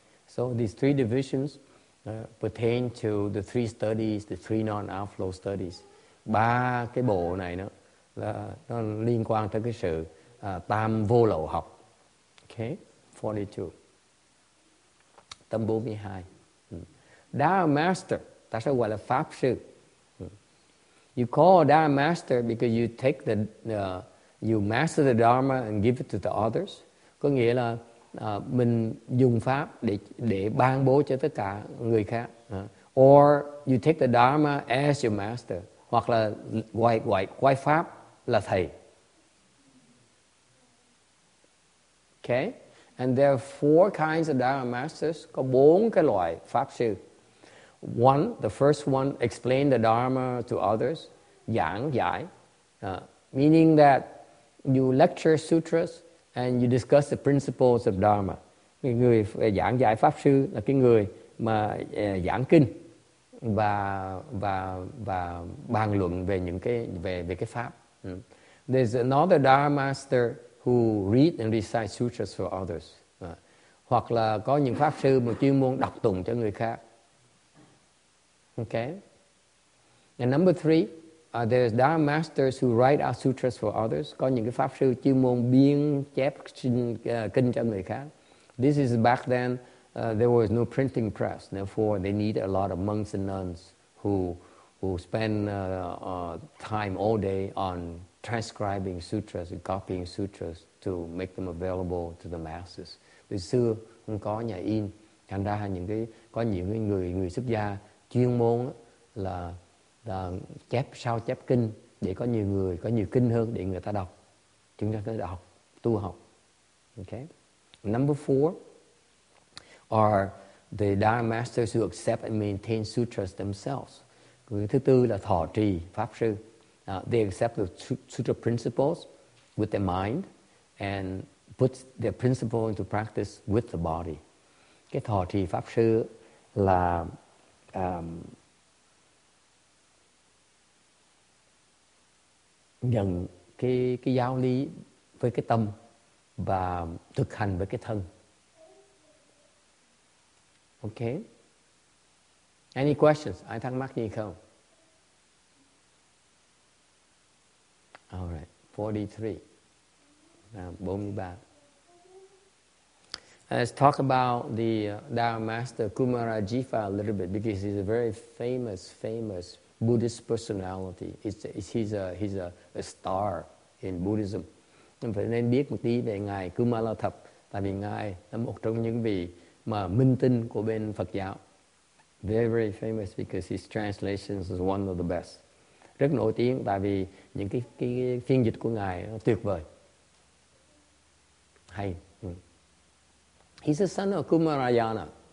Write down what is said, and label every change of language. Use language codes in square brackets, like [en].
[en] So these three divisions pertain to the three studies, the three non-outflow studies. [vi] Ba cái bộ này đó là nó liên quan tới cái sự tam vô lậu học. [en] Okay, 42. [vi] Tâm 42. [en] Thou master, [vi] ta sẽ gọi là pháp sư. [en] You call thou master because you take the you master the dharma and give it to the others. [vi] Có nghĩa là mình dùng pháp để ban bố cho tất cả người khác. [en] Or you take the dharma as your master, [vi] hoặc là gọi pháp là thầy. [en] Okay? And there are four kinds of dharma masters, [vi] có bốn cái loại pháp sư. [en] One, the first one, explain the dharma to others, giảng giải, meaning that you lecture sutras and you discuss the principles of dharma. [vi] Người giảng giải pháp sư là cái người mà giảng kinh và bàn luận về những cái về cái pháp. [en] There's another dharma master who read and recite sutras for others. [vi] Hoặc là có những pháp sư mà chuyên môn đọc tụng cho người khác. [en] Okay. And number three, there's dharma masters who write out sutras for others. [vi] Có những cái pháp sư chuyên môn biên chép kinh cho người khác. [en] This is back then, there was no printing press. Therefore, they need a lot of monks and nuns who spend time all day on transcribing sutras and copying sutras to make them available to the masses. [vi] Từ xưa không có nhà in, thành ra những cái có những cái người xuất gia chuyên môn là chép sao chép kinh để có nhiều người có nhiều kinh hơn để người ta đọc, chúng ta có thể đọc tu học. [en] Okay, number four are the dharma masters who accept and maintain sutras themselves. [vi] Người thứ tư là thọ trì pháp sư. [en] They accept the sutra principles with their mind and put their principle into practice with the body. [vi] Cái thọ trì pháp sư là nhận cái giáo lý với cái tâm và thực hành với cái thân. [en] Okay. Any questions? [vi] Ai thắc mắc gì không? [en] All right. 43. 43. Let's talk about the Dharma Master Kumarajiva a little bit, because he's a very famous Buddhist personality. He's a star in Buddhism. [vi] Mình phải nên biết một tí về ngài Kumarajiva, tại vì ngài là một trong những vị mà minh tinh của bên Phật giáo. [en] Very very famous because his translations is one of the best. [vi] Rất nổi tiếng tại vì những cái phiên dịch của ngài tuyệt vời. [en] Hay. He's the son of Kumarayana.